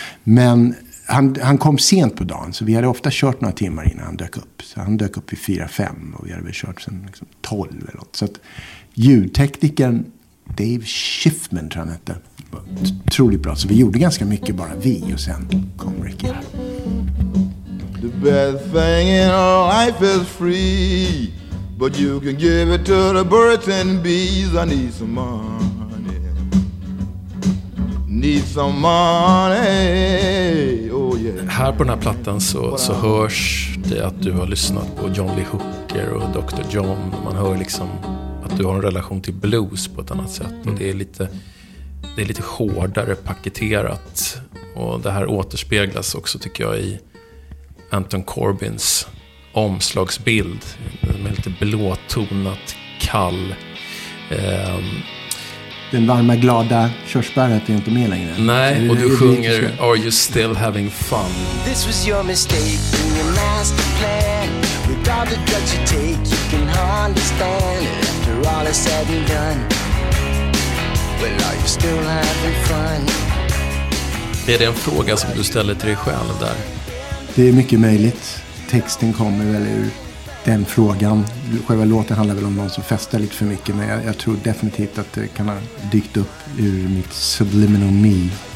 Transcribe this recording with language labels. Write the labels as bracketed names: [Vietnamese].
[Swedish] Men han kom sent på dagen, så vi hade ofta kört några timmar innan han dök upp. Så han dök upp vid 4-5 och vi hade väl kört sen liksom 12 eller något. Så att ljudteknikern Dave Schiffman tror han hette, var otroligt bra. Så vi gjorde ganska mycket bara vi och sen kom Ricky här. [English] The best thing in our life is free. But you can give it to the birds and bees. I need some money. Need some money. Oh yeah. [Swedish] Här på den här plattan så hörs det att du har lyssnat på John Lee Hooker och Dr. John. Man hör liksom att du har en relation till blues på ett annat sätt. Och det är lite hårdare paketerat. Och det här återspeglas också, tycker jag, i Anton Corbins omslagsbild med lite blåtonat kall. Den varma glada körsbäret är inte med längre. Nej, och du sjunger Are You Still Having Fun? [English] This was your mistake in your master plan. With all the drugs you take you can hardly stand. After all is said and done, well, are you still having fun? [Swedish] Är det en fråga som du ställer till dig själv där? Det är mycket möjligt. Texten kommer väl ur den frågan. Själva låten handlar väl om någon som festar lite för mycket, men jag tror definitivt att det kan ha dykt upp ur mitt [English] subliminal me.